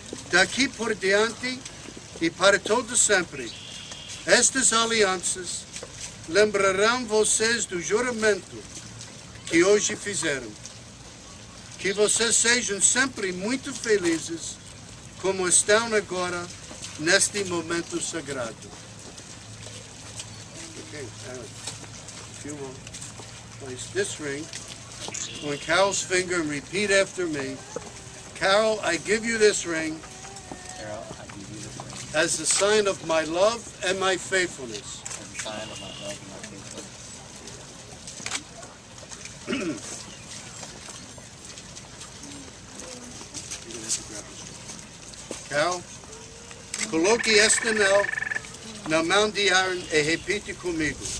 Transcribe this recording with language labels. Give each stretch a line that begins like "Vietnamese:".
Portuguese: Daqui por diante e para todo sempre, estas alianças lembrarão vocês do juramento que hoje fizeram. Que vocês sejam sempre muito felizes como estão agora neste momento sagrado.
English: Okay, Aaron, if you will, place this ring on Carol's finger and repeat after me. Carol, I give you this ring. Carol, I give you this ring. As a sign of my love and my faithfulness. As a sign of my love and my faithfulness. Carol,
Portuguese: Coloqui este anel na mão de Aaron e repite comigo.